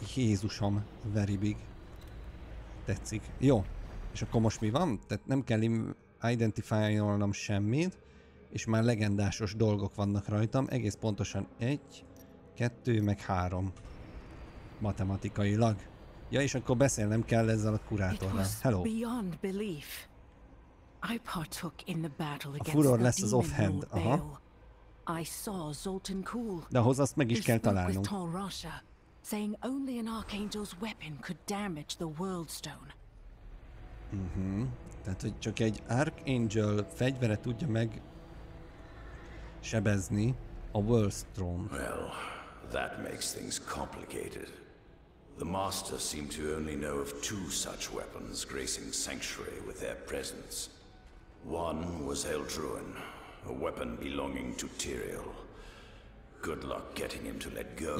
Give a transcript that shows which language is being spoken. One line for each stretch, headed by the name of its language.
Hungarian: Jézusom, very big. Tetszik. Jó. És akkor most mi van? Tehát nem kell identifálnom semmit. És már legendásos dolgok vannak rajtam, egész pontosan 1, 2, meg 3. Matematikailag. Ja, és akkor beszélnem kell ezzel a kurátorral.
English: Hello. Beyond belief. I partook in the battle against the demon Lord Baal. Aha. I saw Zoltan Kul.
Hungarian: De ahhoz azt meg is kell találnunk.
English: With Tal Rasha, saying only an archangel's weapon could damage the world stone.
Hungarian: Tehát, hogy csak egy archangel fegyvere tudja meg sebezni a World Throne.
English: Well, that makes things complicated. The Master seemed to only know of two such weapons gracing Sanctuary with their presence. One was Eldruin, a weapon belonging to Tyriel. Good luck getting him to let go.